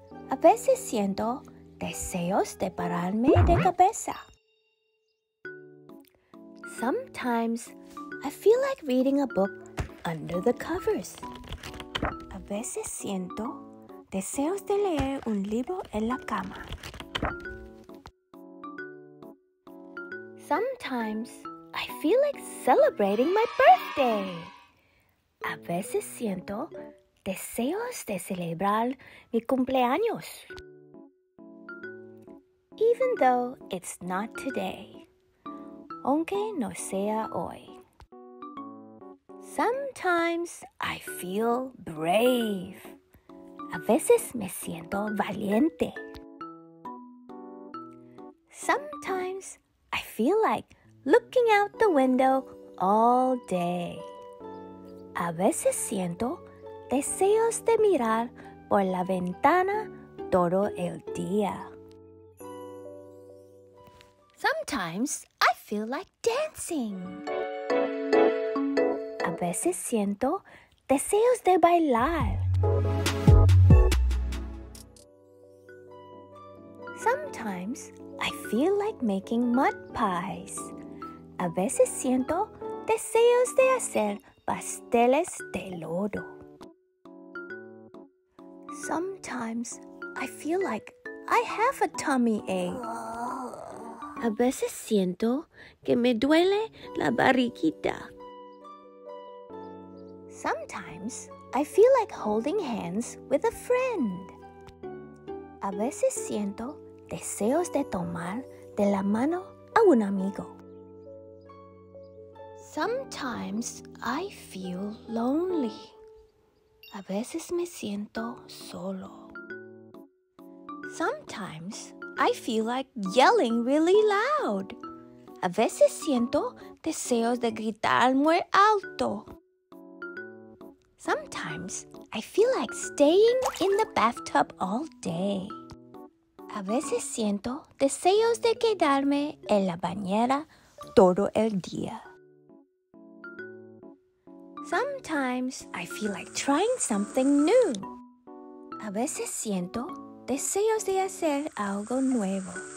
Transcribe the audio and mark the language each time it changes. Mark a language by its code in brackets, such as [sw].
[es] A veces siento deseos de pararme de cabeza. [en] Sometimes I feel like reading a book under the covers. [es] A veces siento deseos de leer un libro en la cama. [en] Sometimes I feel like celebrating my birthday. [es] A veces siento deseos de celebrar mi cumpleaños. [en] Even though it's not today, [es] aunque no sea hoy. [en] Sometimes I feel brave. [es] A veces me siento valiente. [en] Sometimes I feel like looking out the window all day. [es] A veces siento deseos de mirar por la ventana todo el día. [en] Sometimes I feel like dancing. [es] A veces siento deseos de bailar. [en] Sometimes I feel like making mud pies. [es] A veces siento deseos de hacer pasteles de lodo. [en] Sometimes I feel like I have a tummy ache. [es] A veces siento que me duele la barriguita. [en] Sometimes I feel like holding hands with a friend. [es] A veces siento deseos de tomar de la mano a un amigo. [en] Sometimes I feel lonely. [es] A veces me siento solo. [en] Sometimes I feel like yelling really loud. [es] A veces siento deseos de gritar muy alto. [en] Sometimes I feel like staying in the bathtub all day. [es] A veces siento deseos de quedarme en la bañera todo el día. [en] Sometimes I feel like trying something new. [es] A veces siento deseos de hacer algo nuevo.